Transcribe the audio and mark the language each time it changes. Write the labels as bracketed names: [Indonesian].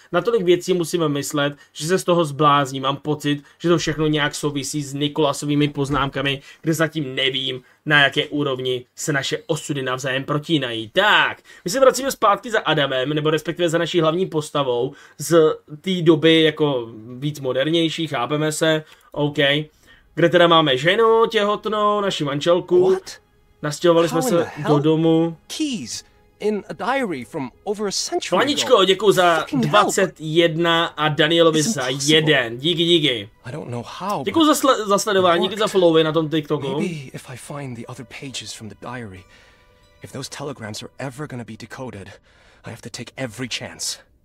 [Czech] Na tolik věcí musíme myslet, že se z toho zblázním. Mám pocit, že to všechno nějak souvisí s Nikolasovými poznámkami, kde zatím nevím, na jaké úrovni se naše osudy navzájem protínají. Tak, my se vracíme zpátky za Adamem, nebo respektive za naší hlavní postavou z té doby jako víc modernější, chápeme se, OK. Kde teda máme ženu těhotnou, naši manželku. [English] What? [Czech] Nastěhovali jsme se do domu. [English] Keys in a diary from over a century ago. [Czech] Vaničko, děkuju za 21 a Danielovi za 1. Díky. [English] I don't know how. [Czech] Děkuju za sledování, díky za followy na tom TikToku. [English] Maybe if I find the other pages from the diary, if those telegrams are ever gonna be decoded, I have to take every chance.